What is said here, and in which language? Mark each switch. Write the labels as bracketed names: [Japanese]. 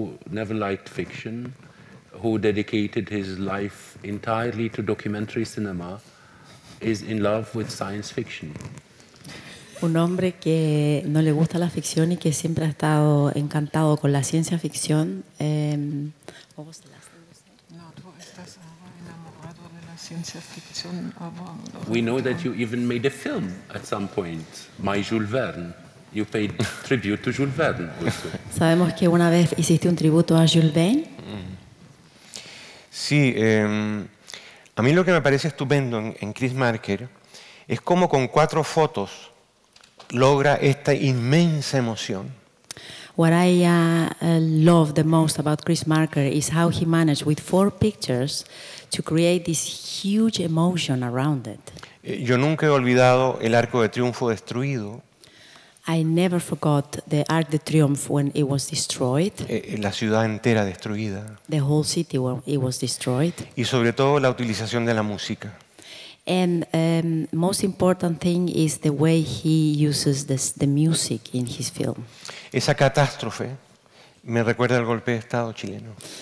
[English] Never liked fiction, who dedicated his life entirely to documentary cinema, is in love with science fiction. [Spanish] Un hombre que no le gusta la ficción y que siempre ha estado encantado con la ciencia ficción. No, tú estás enamorado de la ciencia ficción. [English] We know that you even made a film at some point, My Jules Verne. You paid tribute to Jules Verne also. [Spanish] Sabemos que una vez hiciste un tributo a Jules Verne. Sí, a mí lo que me parece estupendo en Chris Marker es cómo con cuatro fotos logra esta inmensa emoción. [English] What I love the most about Chris Marker is how he managed with four pictures to create this huge emotion around it. [Spanish] Yo nunca he olvidado el Arco de Triunfo destruido. [English] I never forgot the Arc de Triomphe when it was destroyed. [Spanish] La ciudad entera destruida. [English] The whole city when it was destroyed. [Spanish] Y sobre todo la utilización de la música. [English] And most important thing is the way he uses the music in his film. [Spanish] Esa catástrofe me recuerda al golpe de Estado chileno.